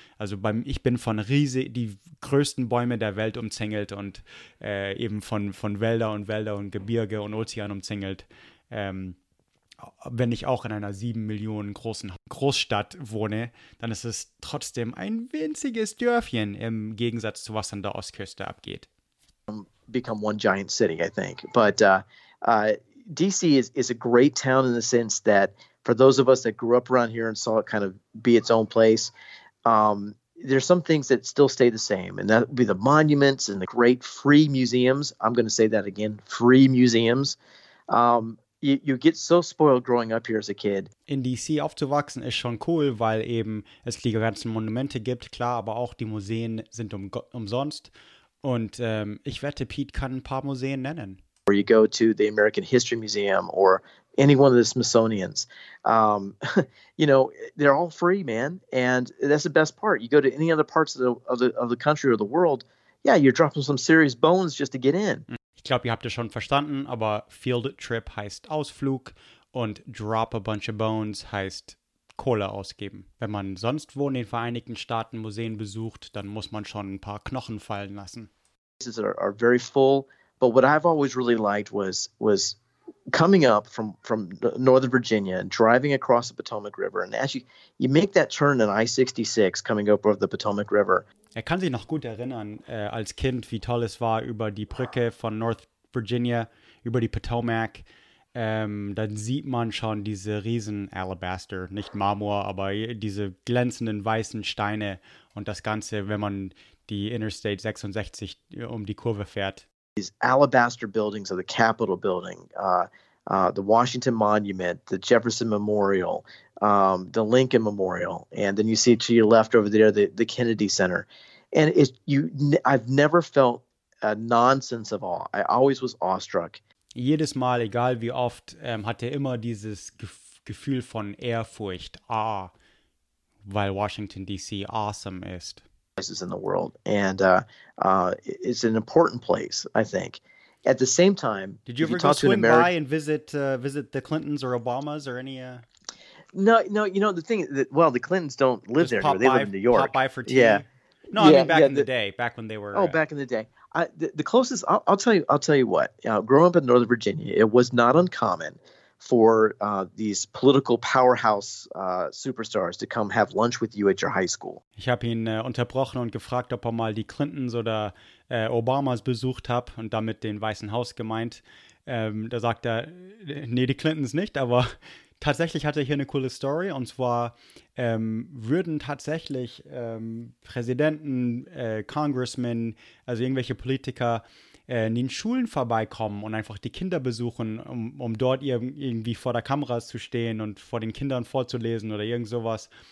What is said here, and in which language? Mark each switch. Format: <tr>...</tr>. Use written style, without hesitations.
<de>Also ich bin von die größten Bäume der Welt umzingelt und eben von Wälder und Wälder und Gebirge und Ozean umzingelt. Wenn ich auch in einer 7 Millionen großen Großstadt wohne, dann ist es trotzdem ein winziges Dörfchen im Gegensatz zu was an der Ostküste abgeht.</de> <en>Become one giant city, I think. But DC is a great town in the sense that for those of us that grew up around here and saw it kind of be its own place, there's some things that still stay the same, and that would be the monuments and the great free museums. I'm going to say that again, free museums. You get so spoiled growing up here as a kid.</en> <de>In DC aufzuwachsen ist schon cool, weil eben es die ganzen Monumente gibt, klar, aber auch die Museen sind umsonst. Und ich wette, Pete kann ein paar Museen nennen.</de> <en>Or you go to the American History Museum or any one of the Smithsonian's. You know, they're all free, man. And that's the best part. You go to any other parts of the country or the world, yeah, you're dropping some serious bones just to get in. Mm.</en> <de>Ich glaube, ihr habt es schon verstanden, aber Field Trip heißt Ausflug und</de> <en>Drop a Bunch of Bones</en> <de>heißt Kohle ausgeben. Wenn man sonst wo in den Vereinigten Staaten Museen besucht, dann muss man schon ein paar Knochen fallen lassen.</de> <en>Places are very full, but what I've always really liked was coming up from Northern Virginia and driving across the Potomac River. And as you make that turn in I-66 coming up over the Potomac River.</en> <de>Er kann sich noch gut erinnern, als Kind, wie toll es war, über die Brücke von North Virginia, über die Potomac. Dann sieht man schon diese riesen Alabaster, nicht Marmor, aber diese glänzenden weißen Steine und das Ganze, wenn man die Interstate 66 um die Kurve fährt.</de> <en>These Alabaster buildings are the Capitol building, the Washington Monument, the Jefferson Memorial, the Lincoln Memorial, and then you see to your left over there the Kennedy Center, and I've never felt a nonsense of awe. I always was awestruck.</en> <de>Jedes Mal, egal wie oft, hatte immer dieses Gefühl von Ehrfurcht, weil Washington D.C. awesome ist.</de> <en>Places in the world, and it's an important place, I think. At the same time, did you ever go swim by and visit the Clintons or Obamas or any? No, you know the thing. Well, the Clintons don't live there. They live in New York. Pop by for tea. Yeah. No, yeah, I mean back when they were. Oh, back in the day. The closest. I'll tell you what. Growing up in Northern Virginia, it was not uncommon for these political powerhouse superstars to come have lunch with you at your high school.</en> <de>Ich habe ihn unterbrochen und gefragt, ob er mal die Clintons oder Obamas besucht hat und damit den Weißen Haus gemeint. Da sagt er, nee, die Clintons nicht, aber tatsächlich hat er hier eine coole Story. Und zwar würden tatsächlich Präsidenten, Congressmen, also irgendwelche Politiker in den Schulen vorbeikommen und einfach die Kinder besuchen, um dort irgendwie vor der Kamera zu stehen und vor den Kindern vorzulesen oder irgend sowas.</de>